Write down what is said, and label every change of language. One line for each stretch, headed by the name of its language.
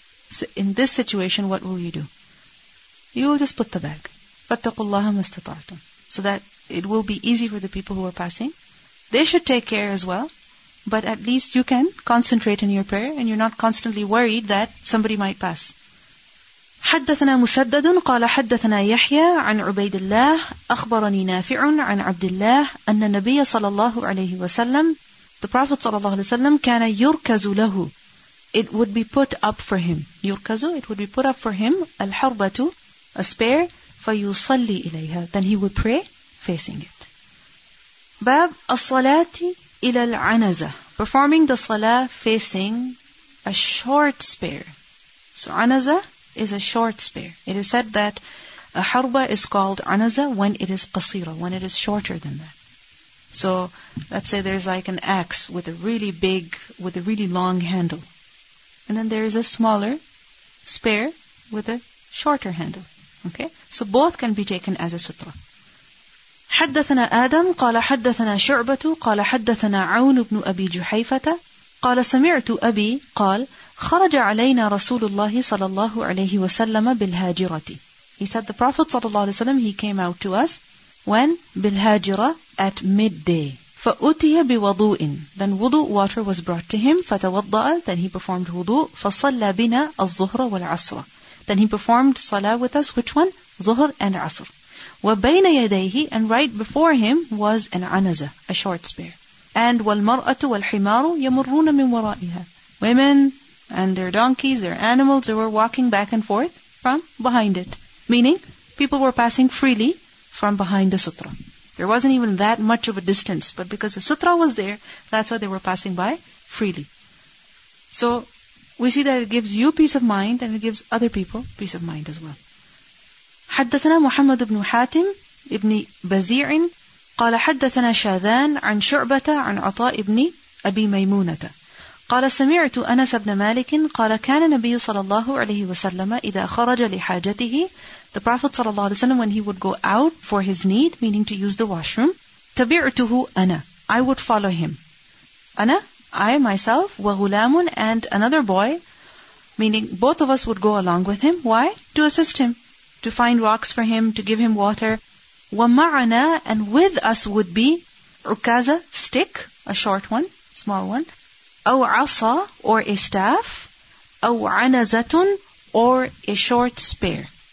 English: So in this situation, what will you do? You will just put the bag.
Arabic: فَاتَّقُوا اللَّهَ مَا اسْتَطَعْتُمْ.
English: So that it will be easy for the people who are passing. They should take care as well. But at least you can concentrate in your prayer and you're not constantly worried that somebody might pass.
Arabic: حدثنا مسدد قال حدثنا يحيى عن عبيد الله أخبرني نافع عن عبد الله أن النبي صلى الله عليه وسلم,
English: the Prophet
Arabic: صلى الله عليه وسلم, كان يركز له,
English: it would be put up for him.
Arabic: يركز,
English: it would be put up for him,
Arabic: الحربة,
English: a spear,
Arabic: فيصلي إليها,
English: then he would pray facing it.
Arabic: باب الصلاة إلى العنزة,
English: performing the salah facing a short spear. So عنزة is a short spear. It is said that a harba is called anaza when it is qasira, when it is shorter than that. So let's say there's like an axe with a really big, with a really long handle. And then there is a smaller spear with a shorter handle. Okay? So both can be taken as a sutra.
Arabic: حدثنا آدم قال حدثنا شعبة قال حدثنا عون بن أبي جحيفة قال سمعت أبي قال خرج علينا رسول الله صلى الله عليه وسلم بالهاجرة.
English: He said the Prophet صلى الله عليه وسلم, he came out to us when بالهاجرة at midday.
Arabic: فأتي بوضوء,
English: then wudu water was brought to him.
Arabic: فتوضأ,
English: then he performed wudu.
Arabic: فصلى بنا الظهر والعصر,
English: then he performed salah with us, which one? ظهر and عصر.
Arabic: وبين يديه,
English: and right before him was an عنزة, a short spear. And
Arabic: والمرأة والحمار يمرون من ورائها,
English: women and their donkeys, their animals, they were walking back and forth from behind it. Meaning, people were passing freely from behind the sutra. There wasn't even that much of a distance, but because the sutra was there, that's why they were passing by freely. So, we see that it gives you peace of mind, and it gives other people peace of mind as well.
Arabic: حدثنا محمد بن حاتم ابن بزيع قال حدثنا شاذان عن شعبة عن عطاء ابن أبي ميمونة قال سمعت أنس بن مالك قال كان النبي صلى الله عليه وسلم إذا خرج لحاجته,
English: the Prophet
Arabic: صلى الله عليه وسلم,
English: when he would go out for his need, meaning to use the washroom,
Arabic: تبعته أنا,
English: I would follow him.
Arabic: أنا,
English: I myself,
Arabic: وغلام,
English: and another boy, meaning both of us would go along with him. Why? To assist him, to find rocks for him, to give him water.
Arabic: ومعنا,
English: and with us would be عكازة, stick, a short one, small one,
Arabic: أو عصا,
English: or a staff,
Arabic: أو عنزة,
English: or a short spear.